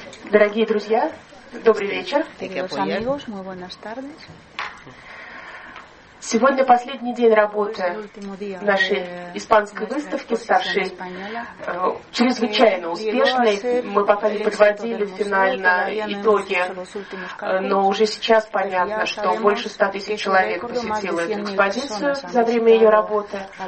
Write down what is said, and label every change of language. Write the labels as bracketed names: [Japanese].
[Russian] Дорогие друзья, добрый вечер. [Spanish] Amigos, muy buenas tardes. [Russian] Сегодня последний день работы нашей испанской выставки, ставшей чрезвычайно успешной. Мы пока не подводили финально итоги, но уже сейчас понятно, что больше 100 тысяч человек посетило эту экспозицию за время ее работы.